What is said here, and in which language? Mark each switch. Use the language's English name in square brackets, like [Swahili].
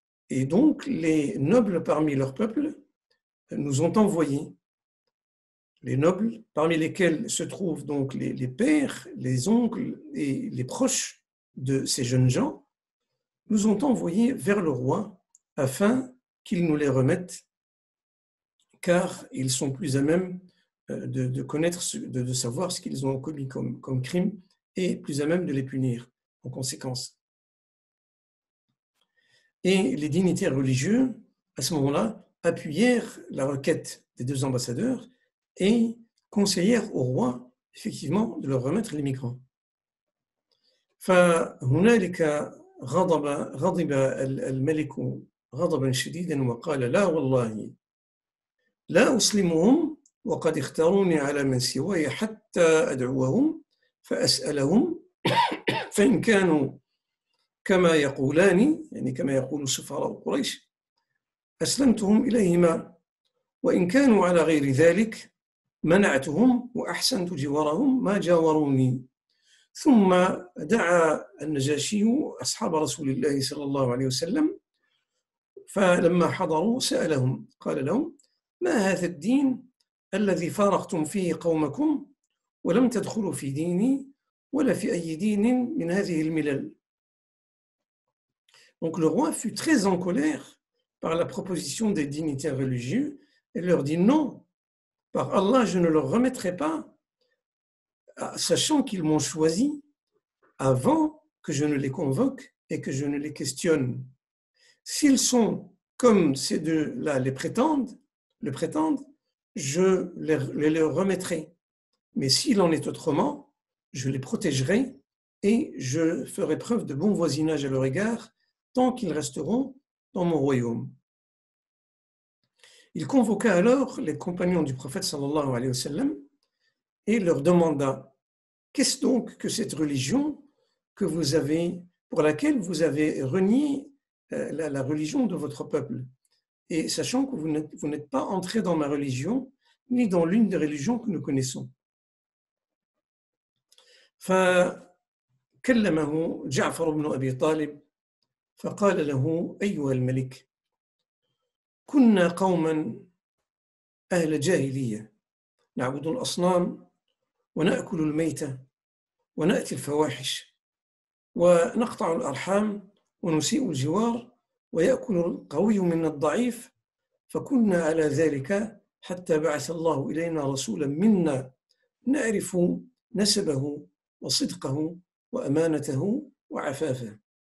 [French] Et donc les nobles parmi leur peuple nous ont envoyés, les nobles parmi lesquels se trouvent donc les pères, les oncles et les proches de ces jeunes gens, nous ont envoyés vers le roi afin qu'il nous les remette, car ils sont plus à même de connaître, de savoir ce qu'ils ont commis comme crime et plus à même de les punir en conséquence. Et les dignitaires religieux, à ce moment-là, appuyèrent la requête des deux ambassadeurs et conseillèrent au roi, effectivement, de leur remettre les migrants. [Arabic] فهناك غضب الملك غضبا شديدا وقال لا والله لا أسلمهم وقد اختاروني على من سواي حتى أدعوهم فأسألهم فإن كانوا كما يقولان يعني كما يقول سفراء قريش أسلمتهم إليهما وإن كانوا على غير ذلك منعتهم وأحسنت جوارهم ما جاوروني. ثم دعا النجاشي أصحاب رسول الله صلى الله عليه وسلم فلما حضروا سألهم قال لهم ما هذا الدين الذي فارقتم فيه قومكم ولم تدخلوا في ديني ولا في أي دين من هذه الملل. [French] Donc le roi fut très en colère par la proposition des dignitaires religieux et leur dit non, par Allah je ne leur remettrai pas, sachant qu'ils m'ont choisi avant que je ne les convoque et que je ne les questionne. S'ils sont comme ces deux-là le prétendent, je les leur remettrai. Mais s'il en est autrement, je les protégerai et je ferai preuve de bon voisinage à leur égard tant qu'ils resteront dans mon royaume. » Il convoqua alors les compagnons du prophète sallallahu alayhi wa sallam et leur demanda: « Qu'est-ce donc que cette religion que vous avez, pour laquelle vous avez renié la religion de votre peuple, et sachant que vous n'êtes pas entré dans ma religion ni dans l'une des religions que nous connaissons ?» [Arabic] فكلمه جعفر بن أبي طالب فقال له أيها الملك كنا قوما أهل جاهلية نعبد الأصنام ونأكل الميتة ونأتي الفواحش ونقطع الأرحام ونسيء الجوار ويأكل القوي منا الضعيف فكنا على ذلك حتى بعث الله إلينا رسولا منا نعرف نسبه وصدقه وأمانته وعفافه